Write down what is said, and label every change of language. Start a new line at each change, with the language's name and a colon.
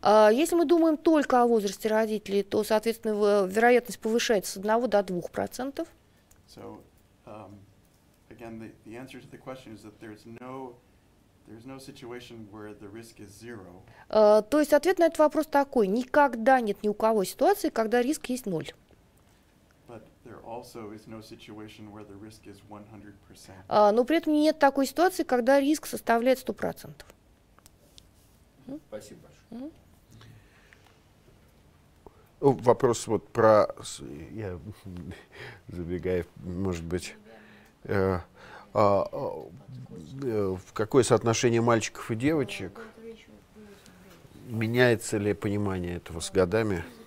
Russian: Если мы думаем только о возрасте родителей, то, соответственно, вероятность повышается с 1 до 2%.
English: So, again, the answer to the question is that there's no situation where the risk is zero.
Russian: То есть ответ на этот вопрос такой: никогда нет ни у кого ситуации, когда риск есть ноль.
English: Also is no situation where the risk is 100%.
Russian: Но при этом нет такой ситуации, когда риск составляет 100%. Спасибо большое. Вопрос вот про, я забегаю, может быть, в какое соотношение мальчиков и девочек меняется ли понимание этого с годами?